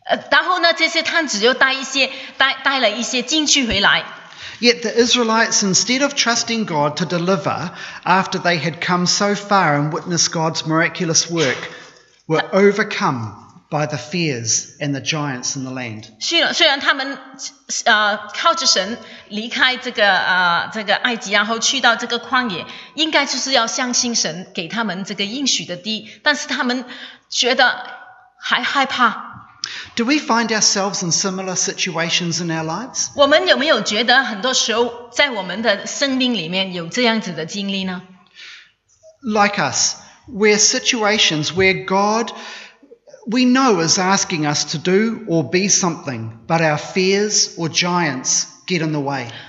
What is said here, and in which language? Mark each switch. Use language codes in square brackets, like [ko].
[zh] 然后呢，这些探子又带了一些金句回来。 [en] Yet the Israelites, instead of trusting God to deliver after they had come so far and witnessed God's miraculous work, were overcome by the fears and the giants in the land. [zh] 虽然他们靠着神离开埃及，然后去到这个旷野，应该就是要相信神给他们这个应许的地，但是他们觉得还害怕。 [en] Do we find ourselves in similar situations in our lives? [zh] 我们有没有觉得很多时候在我们的生命里面有这样子的经历呢？ [en] Like us, we're situations where God, we know, is asking us to do or be something, but our fears or giants get in the way.